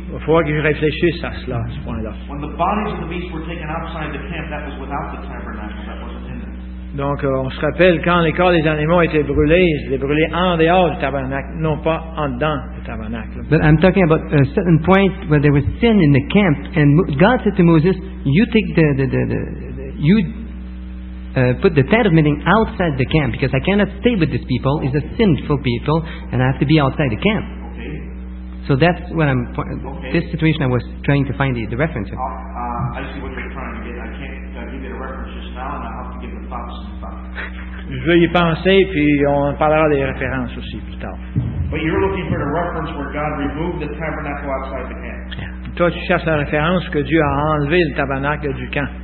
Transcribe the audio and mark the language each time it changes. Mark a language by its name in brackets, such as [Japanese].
[French] il faut que je réfléchisse à cela, à ce point-là. [English] When the bodies of the beasts were taken outside the camp, that was without the tabernacle, that wasn't in it. [French] Donc on se rappelle quand les corps des animaux étaient brûlés, ils étaient brûlés en dehors du tabernacle, non pas en dedans du tabernacle. [English] But I'm talking about a certain point where there was sin in the camp, and God said to Moses, "You take put the tent of meeting outside the camp, because I cannot stay with these people. It's a sinful people, and I have to be outside the camp." Okay. So that's what I'm. This situation I was trying to find the reference. I see what you're trying to get. I can't give you the reference just now, and I'll have to give the thoughts. [French] Je vais y penser, puis on parlera des références aussi plus tard. [English] But you're looking for the reference where God removed the tabernacle outside the camp. [French] Toi, tu cherches la référence que Dieu a enlevé le tabernacle du camp.